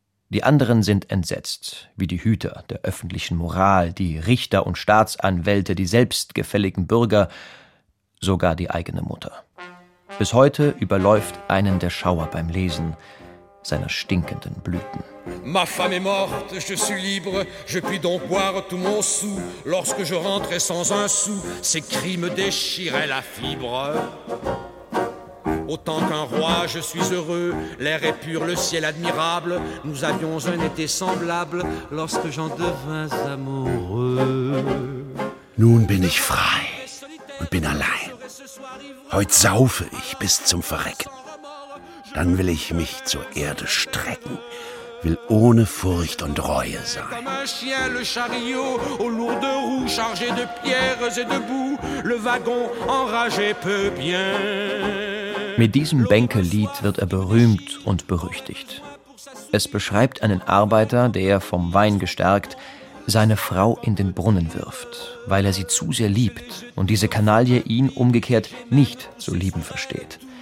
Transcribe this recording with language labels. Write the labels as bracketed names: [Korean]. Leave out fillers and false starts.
[German] Die anderen sind entsetzt, wie die Hüter der öffentlichen Moral, die Richter und Staatsanwälte, die selbstgefälligen Bürger, sogar die eigene Mutter. Bis heute überläuft einen der Schauer beim Lesen seiner stinkenden Blüten. [French] Ma femme est morte, je suis libre, je puis donc boire tout mon sou. Lorsque je rentrais sans un sou, ces cris me déchiraient la fibre. Autant qu'un roi, je suis heureux. L'air est pur, le ciel admirable. Nous avions un été semblable lorsque j'en devins amoureux. [German] Nun bin ich frei und bin allein. Heut saufe ich bis zum Verrecken. Dann will ich mich zur Erde strecken. Will ohne Furcht und Reue sein. [French] Comme un chien, le chariot aux lourdes roues chargé de pierres et de boue. Le wagon enragé peut bien. [German] Mit diesem Bänkelied wird er berühmt und berüchtigt. Es beschreibt einen Arbeiter, der vom Wein gestärkt seine Frau in den Brunnen wirft, weil er sie zu sehr liebt und diese Kanaille ihn umgekehrt nicht zu lieben versteht.